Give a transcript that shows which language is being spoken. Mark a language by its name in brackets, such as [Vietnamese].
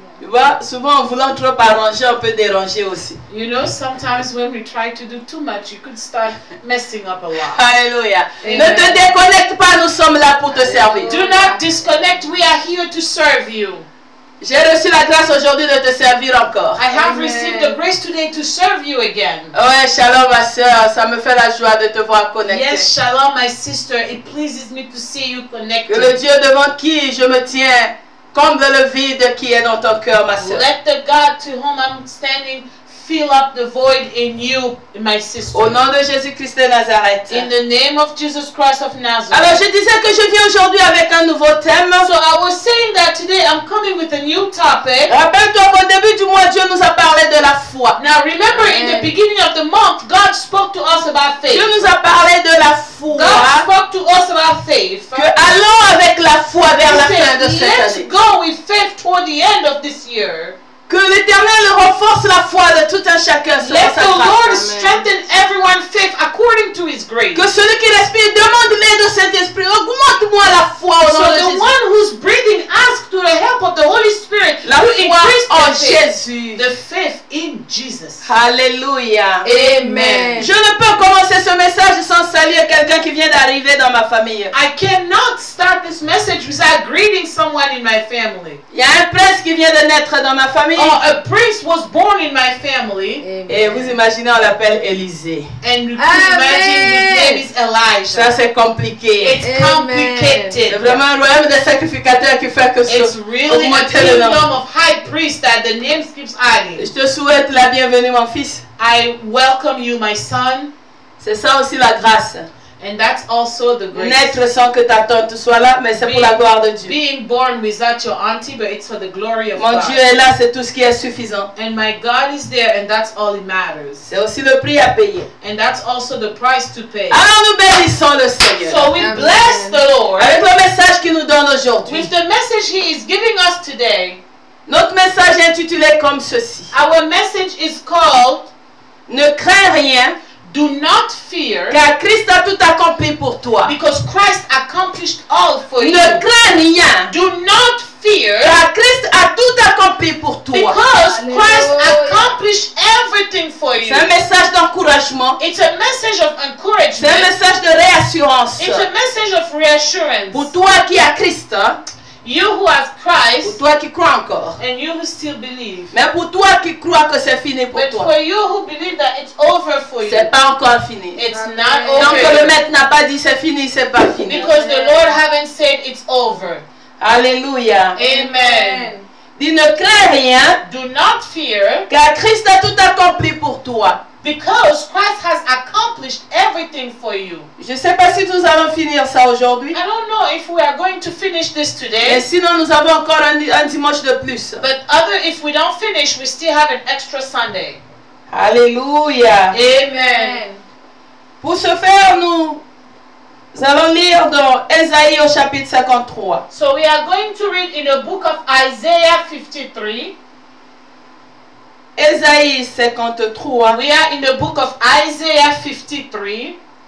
[French] Tu vois, souvent en voulant trop arranger, on peut déranger aussi. [English] You know, sometimes when we try to do too much, you could start messing up a lot. [French] Alléluia. Ne te déconnecte pas, nous sommes là pour te servir. [English] Do not disconnect. We are here to serve you. [French] J'ai reçu la grâce aujourd'hui de te servir encore. [English] I have received the grace today to serve you again. [French] Ouais, shalom ma sœur, ça me fait la joie de te voir connectée. [English] Yes, shalom my sister, it pleases me to see you connected. [French] Que le Dieu devant qui je me tiens comble le vide qui est dans ton cœur, ma sœur. [English] Let the God to whom I'm standing fill up the void in you, my sister. [French] Au nom de Jésus-Christ de Nazareth. [English] In the name of Jesus Christ of Nazareth. [French] Alors je disais que je viens aujourd'hui avec un nouveau thème. [English] So I was saying that today I'm coming with a new topic. [French] Rappelle-toi au début du mois, Dieu nous a parlé de la foi. [English] Now remember, in the beginning of the month, God spoke to us about faith. [French] Dieu nous a parlé de la foi. [English] God spoke to us about faith. [French] Que allons avec la foi vers la fin de cette année. [English] Let's go with faith toward the end of this year. [French] Que l'Éternel renforce la foi de tout un chacun selon [English] Let [French] sa grâce. [English] Let the Lord strengthen everyone's faith according to His grace. [French] Que celui qui respire demande l'aide au Saint-Esprit. Augmente-moi la foi au nom [English] so [French] de Jésus. [English] So the one who's breathing asks to the help of the Holy Spirit [French] la [English] to increase [French] en Jésus. [English] The faith in Jesus. [French] Alléluia. [English] Amen. [French] Je ne peux commencer ce message sans saluer quelqu'un qui vient d'arriver dans ma famille. [English] I cannot start this message without greeting someone in my family. [French] Il y a un prince qui vient de naître dans ma famille. [English] A priest was born in my family. Amen. [French] Et vous imaginez, on l'appelle Élisée. [English] And you can imagine his name is Elijah. [French] Ça c'est compliqué. [English] It's Amen. Complicated. [French] C'est vraiment un royaume des sacrificateurs qui fait que ce [English] It's really a kingdom of high priests that the name keeps adding. [French] Je te souhaite la bienvenue, mon fils. [English] I welcome you, my son. [French] C'est ça aussi la grâce. [English] And that's also the grace. [French] Naître sans que ta tante soit là, mais c'est pour la gloire de Dieu. [English] Being born without your auntie, but it's for the glory of [French] Mon [English] God. [French] Dieu est là, c'est tout ce qui est suffisant. [English] And my God is there, and that's all that matters. [French] C'est aussi le prix à payer. [English] And that's also the price to pay. [French] Alors nous bénissons le Seigneur. [English] So we Amen. Bless the Lord. [French] Avec le message qu'il nous donne aujourd'hui. [English] With the message He is giving us today. [French] Notre message est intitulé comme ceci. [English] Our message is called. [French] Ne crains rien. [English] Do not fear. [French] Car Christ a tout accompli pour toi. [English] Because Christ accomplished all for [French] ne [English] you. [French] Ne crains rien. [English] Do not fear. [French] Car Christ a tout accompli pour toi. [English] Because Christ accomplished everything for you. [French] C'est un message d'encouragement. [English] It's a message of encouragement. [French] C'est un message de réassurance. [English] It's a message of reassurance. [French] Pour toi qui as Christ. [English] You who have Christ. [French] Pour toi qui crois encore. [English] And you who still believe. [French] Mais pour toi qui crois que c'est fini pour [English] But [French] toi. [English] But for you who believe that it's over for [French] c'est [English] you. [French] C'est pas encore fini. [English] It's not over. [French] Donc le maître n'a pas dit c'est fini, c'est pas fini. [English] Because the Lord haven't said it's over. [French] Alléluia. [English] Amen. [French] Dis ne crains rien. [English] Do not fear. [French] Car Christ a tout accompli pour toi. [English] Because Christ has accomplished everything for you. [French] Je sais pas si nous allons finir ça aujourd'hui. [English] I don't know if we are going to finish this today. [French] Mais sinon nous avons encore un dimanche de plus. [English] But other if we don't finish, we still have an extra Sunday. [French] Alléluia. [English] Amen. [French] Pour ce faire, nous allons lire dans Ésaïe au chapitre 53. [English] So we are going to read in the book of Isaiah 53. [French] Ésaïe 53. [English] We are in the book of Isaiah 53.